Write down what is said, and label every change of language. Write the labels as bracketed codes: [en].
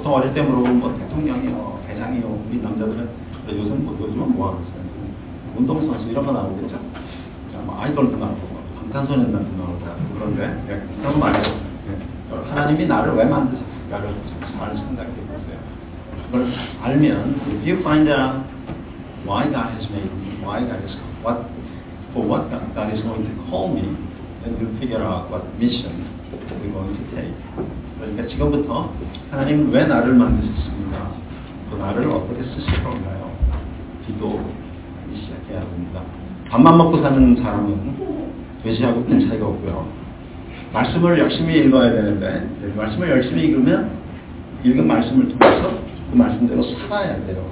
[ko] 보통 어릴 때 물어보면 뭐 대통령이요, 대장이요, 우리 남자들은 요즘 뭐 하고 있어요? 운동선수 이런 거 나오겠죠? 자, 뭐 아이돌도 나오고 방탄소년단도 나오고 그런데 그런 말이에요. 네. 하나님이 나를 왜 만드셨을까를 잘 생각해 보세요. 그걸 알면 [en] if you find out why God has made me, why God is what for what God is going to call me, then you figure out what mission we're going to take. [ko] 그러니까 지금부터 하나님 왜 나를 만드셨습니까? 또 나를 어떻게 쓰실 건가요? 기도하기 시작해야 됩니다. 밥만 먹고 사는 사람은 돼지하고 큰 차이가 없고요. 말씀을 열심히 읽어야 되는데 말씀을 열심히 읽으면 읽은 말씀을 통해서 그 말씀대로 살아야 돼요.